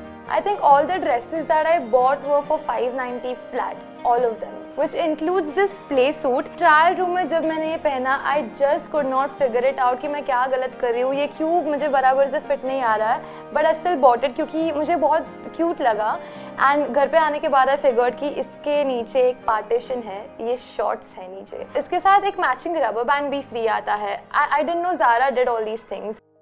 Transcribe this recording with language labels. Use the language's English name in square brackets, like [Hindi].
[English] I think all the dresses that I bought were for 590 flat, all of them, which includes this play suit. [Hindi] Trial room में जब मैंने ये पहना [English] I just could not figure it out [Hindi] कि मैं क्या गलत कर रही हूँ, ये क्यों मुझे बराबर से फिट नहीं आ रहा है, [English] but I still bought it [Hindi] क्योंकि मुझे बहुत cute लगा and घर पे आने के बाद [English] I figured [Hindi] कि इसके नीचे एक partition है, ये shorts है नीचे. इसके साथ एक matching rubber band भी free आता है. [English] I didn't know Zara did all these things.